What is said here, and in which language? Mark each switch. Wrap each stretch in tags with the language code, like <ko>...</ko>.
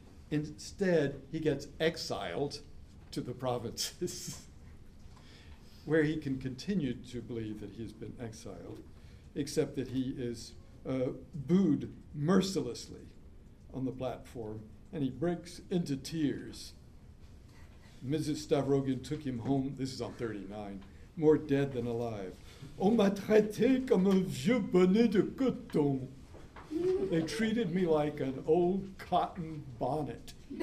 <en>Instead, he gets exiled to the provinces, where he can continue to believe that he's been exiled, except that he is booed mercilessly on the platform, and he breaks into tears. Mrs. Stavrogin took him home, this is on 39, more dead than alive.</en> <fr>On m'a traité comme un vieux bonnet de coton.</fr> <en>They treated me like an old cotton bonnet.</en>